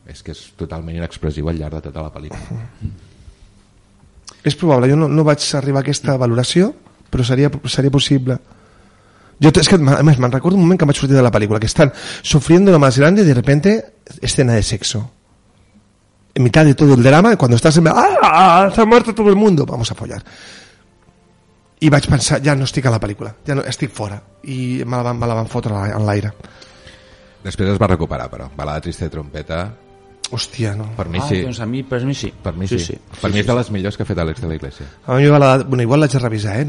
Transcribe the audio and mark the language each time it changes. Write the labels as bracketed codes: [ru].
[ca] És que és totalment inexpressiu al llarg de tota la pel·lícula. És probable. Jo no vaig arribar a aquesta valoració, però seria possible. Jo, és que, a més, me'n recordo un moment que vaig sortir de la pel·lícula, que estan [es] sufriendo lo más grande, y de repente, escena de sexo. En mitad de todo el drama, cuando estás en... ¡Ah! ¡Se ha muerto todo el mundo! Vamos a follar. [ca] I vaig pensar, ja no estic a la pel·lícula, ja no, estic fora. I me la van fotre en l'aire. Després es va recuperar, però. Balada triste de trompeta... Hòstia, no. Per mi sí. Doncs a mi, per mi sí. Per mi sí. Sí. Per mi és de les millors que ha fet Àlies de l'Iglesia. A mi balada... Bueno, igual l'haig de revisar, eh?